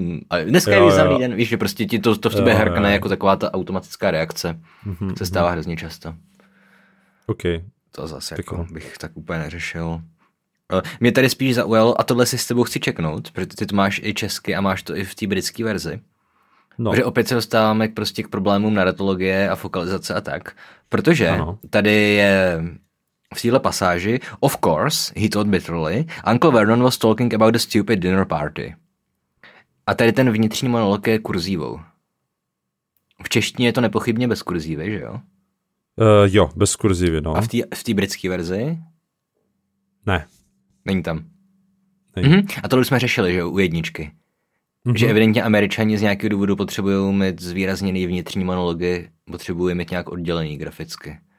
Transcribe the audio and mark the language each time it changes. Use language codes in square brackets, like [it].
[cs] A dneska je významný den, víš, že prostě ti to v tobě hrkne jako taková ta automatická reakce, se stává hrozně často. Ok. To zase jako bych tak úplně neřešil. Mě tady spíš zaujalo, a tohle si s tebou chci čeknout, protože ty to máš i česky a máš to i v té britské verzi. No. Protože opět se dostáváme prostě k problémům narratologie a fokalizace a tak. Protože tady je v téhle pasáži, [en] of course, he thought bitterly, Uncle Vernon was talking about the stupid dinner party. [cs] A tady ten vnitřní monolog je kurzívou. V češtině je to nepochybně bez kurzívy, že jo? Jo, bez kurzívy, no. A v té britské verzi? Ne. Není tam. Není. Mm-hmm. A tohle jsme řešili, že jo, u jedničky. Že evidentně Američani z nějakého důvodu potřebují mít zvýrazněný vnitřní monology, potřebují mít nějak oddělený graficky.